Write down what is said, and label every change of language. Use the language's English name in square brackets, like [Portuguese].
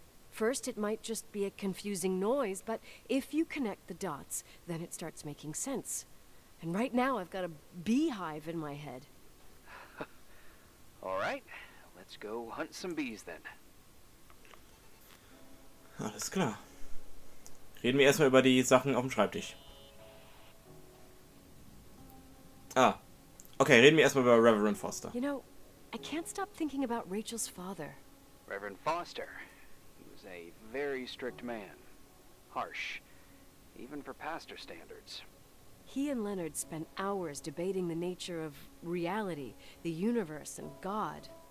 [English] First, it might just be a confusing noise, but if you connect the dots, then it starts making sense. And right now, I've got a beehive in my head. All right, let's go hunt some bees then. [German] Alles klar. Reden wir erstmal über die Sachen auf dem Schreibtisch. Ah, okay, reden wir erstmal über Reverend Foster. [English] You know, I can't stop thinking about Rachel's father. Reverend Foster. A very strict man. Harsh. Even for pastor standards. He and Leonard spent hours debating the nature of reality, the universe, and God.